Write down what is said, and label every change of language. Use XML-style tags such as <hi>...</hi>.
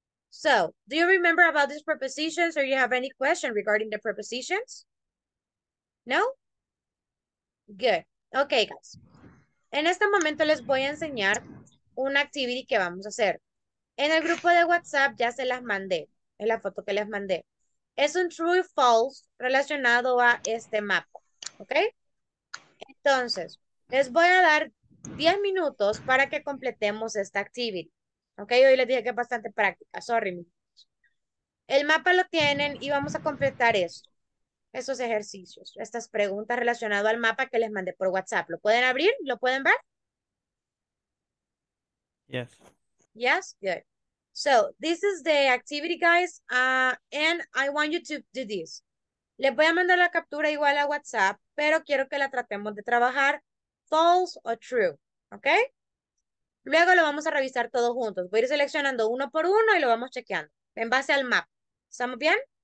<en>So, do you remember about these prepositions or you have any question regarding the prepositions? No? Good. Okay, guys.</en> <es>En este momento les voy a enseñar una activity que vamos a hacer. En el grupo de WhatsApp ya se las mandé, es la foto que les mandé. Es un true y false relacionado a este mapa, ¿ok? Entonces, les voy a dar 10 minutos para que completemos esta activity. ¿Ok? Hoy les dije que es bastante práctica, sorry. El mapa lo tienen y vamos a completar esto, esos ejercicios, estas preguntas relacionadas al mapa que les mandé por WhatsApp. ¿Lo pueden abrir? ¿Lo pueden ver?</es> <en>Yes. Yes, good. So, this is the activity, guys, and I want you to do this.</en> <es>Les voy a mandar la captura igual a WhatsApp, pero quiero que la tratemos de trabajar false o true, ¿ok? Luego lo vamos a revisar todos juntos. Voy a ir seleccionando uno por uno y lo vamos chequeando en base al map. ¿Estamos bien?</es>